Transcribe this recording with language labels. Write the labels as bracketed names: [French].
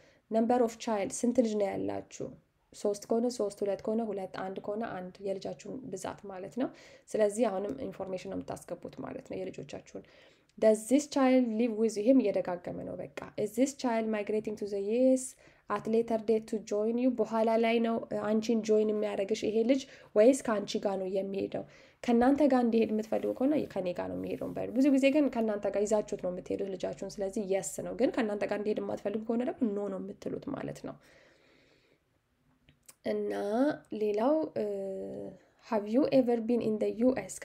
[English] Number of child, [Amharic] ስንት ልጅ ነው ያላችሁ? ሶስት ከሆነ ሶስት፣ ሁለት ከሆነ ሁለት፣ አንድ ከሆነ አንድ፣ የልጃችሁን ብዛት ማለት ነው። ስለዚህ አሁንም ኢንፎርሜሽን ነው የምታስገቡት ማለት ነው የልጆቻችሁን። [English] Does this child live with you? [Amharic] ይህም እየደጋገመ ነው በቃ። [English] Is this child migrating to the US at later date to join you? [Amharic] በኋላ ላይ ነው አንቺን ጆይን የሚያደርግሽ ይሄ ልጅ ወይስ ከአንቺ ጋር ነው የሚሄደው? ከእናንተ ጋር እንዲሄድ የምትፈልጉ ከሆነ ከኔ ጋር ነው የሚሄደው። ብዙ ጊዜ ግን ከእናንተ ጋር ይዛችሁት ነው የምትሄዱት ልጃችሁን። ስለዚህ የስ ነው። ግን ከእናንተ ጋር እንዲሄድ የማትፈልጉ ከሆነ ደግሞ ኖ ነው የምትሉት ማለት ነው። እና ሌላው [English] ሃቭ ዩ ኤቨር ቢን ኢን ዘ ዩኤስ?